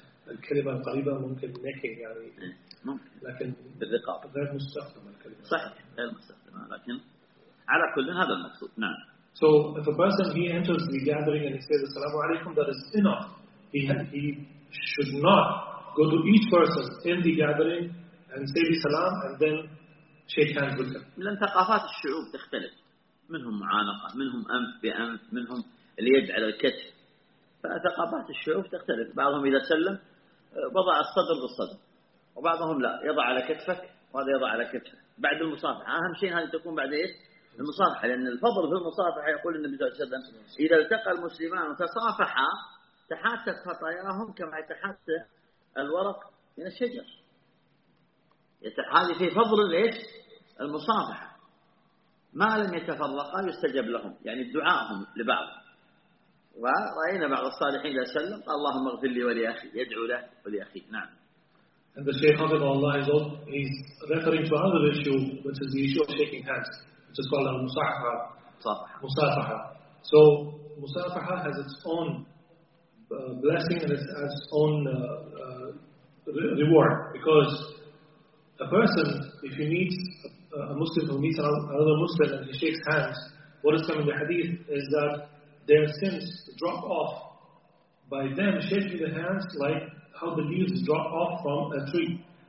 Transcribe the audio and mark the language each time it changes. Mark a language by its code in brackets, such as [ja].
[ar] الكلمة القريبة ممكن نكين يعني. ممكن. لكن. بالرقاء. غير مستخدم الكلمة. صحيح غير مستخدم لكن على كل هذا المقصود نعم. [en] So if a person he enters the gathering and he says Assalamu alaikum, that is enough. He should not go to each person in the gathering and say the salam and then shake hands with them. [ar] لأن ثقافات الشعوب تختلف. منهم معانقة، منهم أنف بأنف، منهم اليد على الكتف. فثقافات الشعوب تختلف. بعضهم إذا سلم وضع الصدر بالصدر، وبعضهم لا يضع على كتفك وهذا يضع على كتفه. بعد المصافحة أهم شيء هذه تكون بعد إيش؟ المصافحة، لأن الفضل في المصافحة يقول النبي صلى الله عليه وسلم إذا التقى المسلمان وتصافحا تحاتت خطاياهم كما يتحات الورق من الشجر. هذه في فضل ليش المصافحة، ما لم يتفرقا يستجب لهم، يعني دعاءهم لبعض. ورأينا بعض الصالحين إذا سلم قال اللهم اغفر لي ولأخي، يدعو له ولأخي. نعم. [en] And the Shaykh of Allah is referring to another issue, which is the issue of shaking hands, which is called al-musafaha. Musafaha. So musafaha has its own blessing and its own reward, because a person, if he meets a Muslim who meets another Muslim and he shakes hands, what is coming in the hadith is that their sins drop off by them shaking their hands, like how the leaves drop off from a tree.